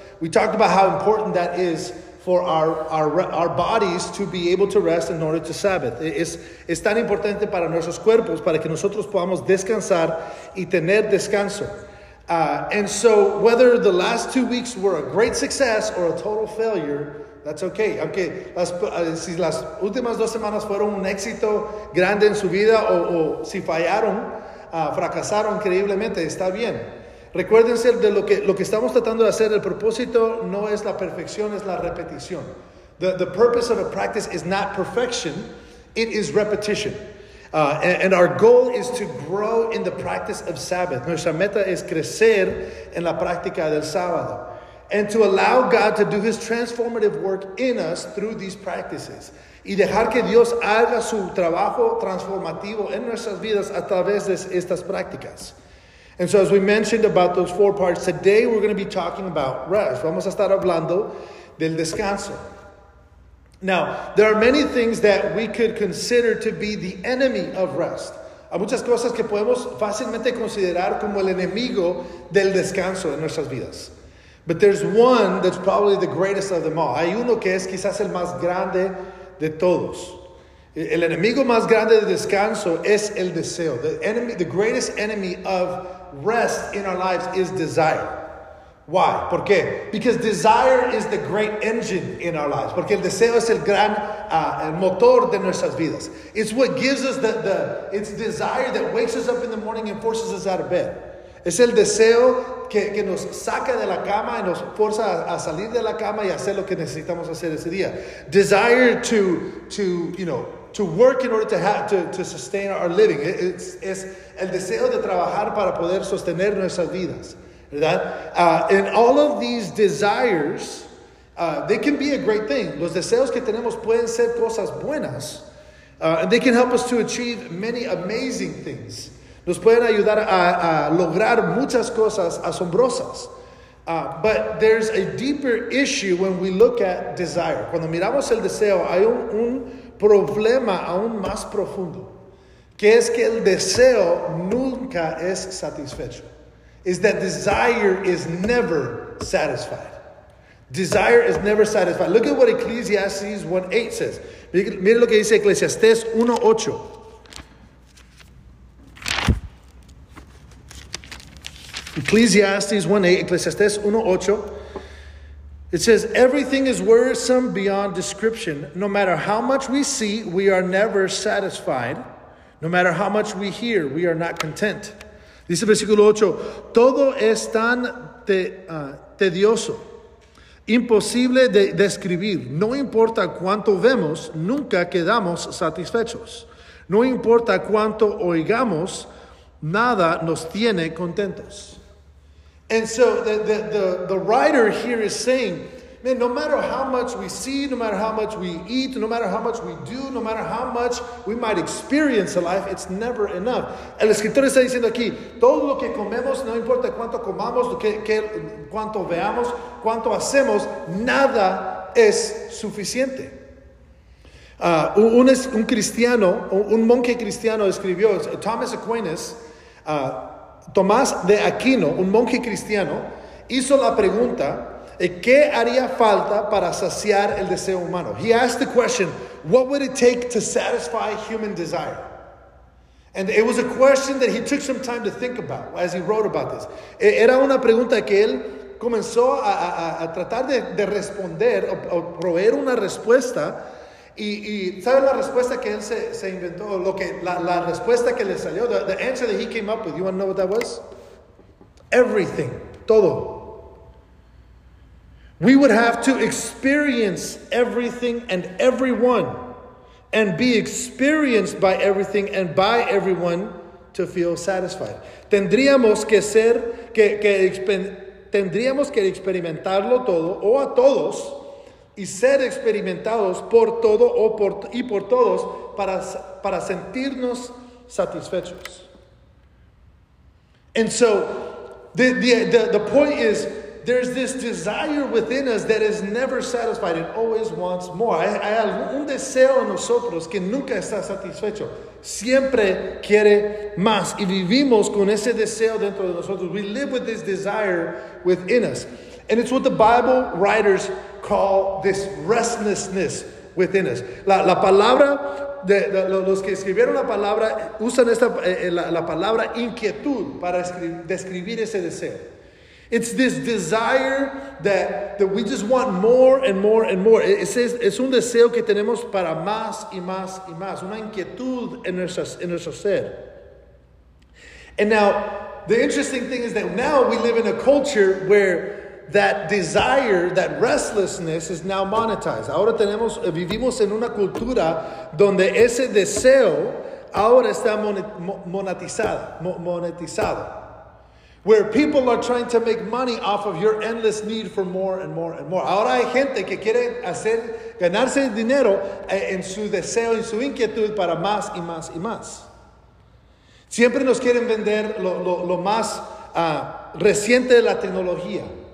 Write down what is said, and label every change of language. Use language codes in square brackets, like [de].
[en] We talked about how important that is for our bodies to be able to rest in order to Sabbath. [es] Es tan importante para nuestros cuerpos para que nosotros podamos descansar y tener descanso. [en] And so whether the last 2 weeks were a great success or a total failure, that's okay. [es] Aunque si las últimas dos semanas fueron un éxito grande en su vida o si fallaron, fracasaron increíblemente, está bien. Recuérdense de lo que estamos tratando de hacer. El propósito no es la perfección, es la repetición. [en] The purpose of a practice is not perfection, it is repetition. And our goal is to grow in the practice of Sabbath. [es] Nuestra meta es crecer en la práctica del sábado. [en] And to allow God to do his transformative work in us through these practices. [es] Y dejar que Dios haga su trabajo transformativo en nuestras vidas a través de estas prácticas. [en] And so as we mentioned about those four parts, today we're going to be talking about rest. [es] Vamos a estar hablando del descanso. [en] Now, there are many things that we could consider to be the enemy of rest. [es] Hay muchas cosas que podemos fácilmente considerar como el enemigo del descanso en nuestras vidas. [en] But there's one that's probably the greatest of them all. [es] Hay uno que es quizás el más grande de todos. El enemigo más grande del descanso es el deseo. [en] The greatest enemy of rest in our lives is desire. Why? [es] ¿Por qué? [en] Because desire is the great engine in our lives. [es] Porque el deseo es el gran el motor de nuestras vidas. [en] It's what gives us it's desire that wakes us up in the morning and forces us out of bed. [es] Es el deseo que nos saca de la cama y nos fuerza a salir de la cama y hacer lo que necesitamos hacer ese día. [en] Desire to work in order to sustain our living. [es] Es el deseo de trabajar para poder sostener nuestras vidas. ¿Verdad? [en] And all of these desires, they can be a great thing. [es] Los deseos que tenemos pueden ser cosas buenas. [en] And they can help us to achieve many amazing things. [es] Nos pueden ayudar a lograr muchas cosas asombrosas. [en] But there's a deeper issue when we look at desire. [es] Cuando miramos el deseo, hay un problema aún más profundo. Que es que el deseo nunca es satisfecho. [en] Is that desire is never satisfied. Desire is never satisfied. Look at what Ecclesiastes 1:8 says. [es] Mire lo que dice Ecclesiastes 1:8. [en] Ecclesiastes 1:8. It says, everything is worrisome beyond description. No matter how much we see, we are never satisfied. No matter how much we hear, we are not content. [es] Dice versículo 8, todo es tan tedioso, imposible de describir. No importa cuánto vemos, nunca quedamos satisfechos. No importa cuánto oigamos, nada nos tiene contentos. [en] And so the writer here is saying, man, no matter how much we see, no matter how much we eat, no matter how much we do, no matter how much we might experience in life, it's never enough. [es] El escritor está diciendo aquí, todo lo que comemos, no importa cuánto comamos, cuánto veamos, cuánto hacemos, nada es suficiente. Un cristiano, un monje cristiano escribió, Thomas Aquinas, Tomás de Aquino, un monje cristiano, hizo la pregunta, ¿qué haría falta para saciar el deseo humano? [en] He asked the question, what would it take to satisfy human desire? And it was a question that he took some time to think about as he wrote about this. [es] Era una pregunta que él comenzó a tratar de responder o proveer una respuesta. Y ¿sabe la respuesta que él se inventó? La respuesta que le salió, [en] the answer that he came up with. You want to know what that was? Everything. [es] Todo. [en] We would have to experience everything and everyone and be experienced by everything and by everyone to feel satisfied. [es] Tendríamos que experimentarlo todo o a todos y ser experimentados por todo o por todos para sentirnos satisfechos. [en] And so the point is, There's this desire within us that is never satisfied. It always wants more. [es] Hay un deseo en nosotros que nunca está satisfecho. Siempre quiere más. Y vivimos con ese deseo dentro de nosotros. [en] We live with this desire within us. And it's what the Bible writers call this restlessness within us. [es] La palabra, los que escribieron la palabra, usan la palabra inquietud para describir ese deseo. [en] It's this desire that we just want more and more and more. [es] Es un deseo que tenemos para más y más y más. Una inquietud en nuestro ser. [en] And now, the interesting thing is that now we live in a culture where that desire, that restlessness is now monetized. [es] Ahora vivimos en una cultura donde ese deseo ahora está monetizado. [en] Where people are trying to make money off of your endless need for more and more and more. [es] Ahora hay gente que quiere hacer ganarse dinero en su deseo, en su inquietud para más y más y más. Siempre nos quieren vender lo más reciente de la tecnología.